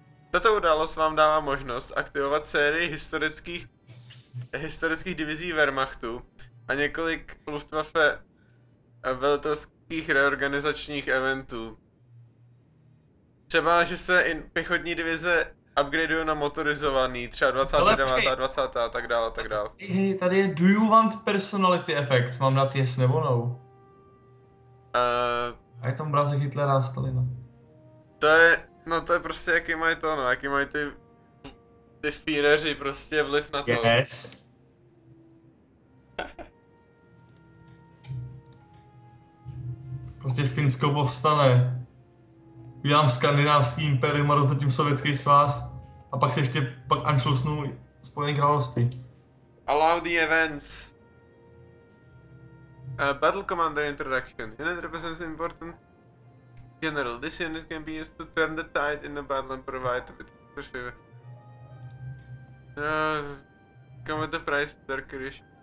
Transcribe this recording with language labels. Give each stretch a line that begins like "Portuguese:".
Czech: Tato událost vám dává možnost aktivovat sérii historických divizí Wehrmachtu a několik Luftwaffe velitelských reorganizačních eventů. Třeba, že se pěchotní divize upgradeují na motorizovaný, třeba 29. a 20. a tak dále, a tak dále. Tady je
English: Do you want personality effects?
Czech: Mám dát yes nebo no? A je tam obrázek Hitlera a Stalina. To je, no to je prostě jaký mají to, no, jaký mají ty Führeři prostě vliv na to.
English: Yes.
Czech: Prostě Finsko povstane. Udělám skandinávský impérium a rozdrtím sovětský svaz. A pak se ještě, pak anšlusnu Spojené království.
English: Allow the events. Battle Commander Introduction. Unit represents an important general. This unit can be used to turn the tide in the battle and provide a bit of pressure. Come with the price, Dark Rish.